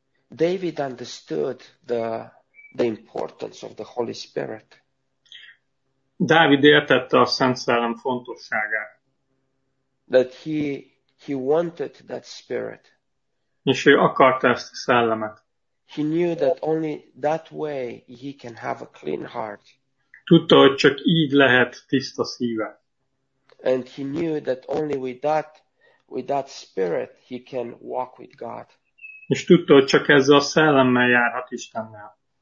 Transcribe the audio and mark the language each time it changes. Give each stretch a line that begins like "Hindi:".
English: David understood the importance of the Holy Spirit.
Hungarian: Dávid értette a Szent Szellem fontosságát.
English: That he wanted that spirit.
Hungarian: És ő akarta ezt a szellemet.
English: He knew that only that way he can have a clean heart.
Hungarian: Tudta, hogy csak így lehet tiszta szíve.
English: And he knew that only with that spirit he can walk with God.
Hungarian: És tudta, hogy csak ezzel a szellemmel járhat Istennel.